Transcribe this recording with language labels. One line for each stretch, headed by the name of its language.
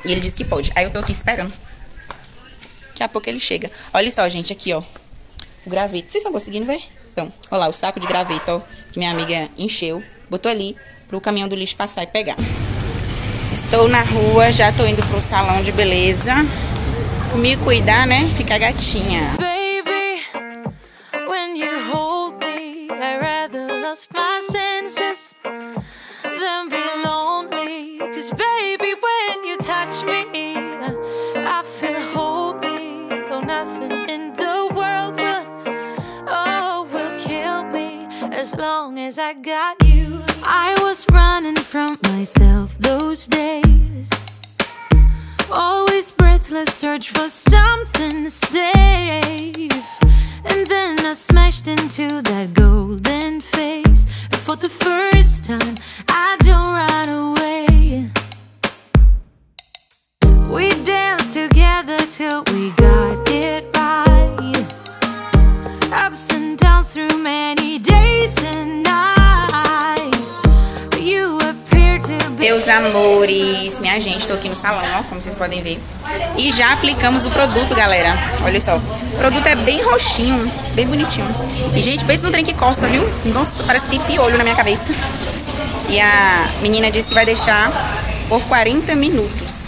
Portuguese: E ele disse que pode. Aí eu tô aqui esperando. Daqui a pouco ele chega. Olha só, gente, aqui, ó. O graveto. Vocês estão conseguindo ver? Então, ó lá, o saco de graveto, ó. Que minha amiga encheu. Botou ali pro caminhão do lixo passar e pegar. Estou na rua, já tô indo pro salão de beleza. Me cuidar, né? Ficar gatinha.
English: Baby, when you hold me, I'd rather lost my senses than be lonely. Cause baby, when you touch me, I feel holy. Oh, nothing in the world will, oh, will kill me as long as I got you. I was running from myself those days, always breathless, search for something safe. And then I smashed into that golden face. And for the first time, I don't run away. We danced together till we got it right. Ups and downs through many days and nights. You appear to be.
Portuguese: Meus amores, minha gente, tô aqui no salão, ó, como vocês podem ver. E já aplicamos o produto, galera. Olha só. O produto é bem roxinho, bem bonitinho. E, gente, pensa no trem que coça, viu? Nossa, parece que tem piolho na minha cabeça. E a menina disse que vai deixar por 40 minutos.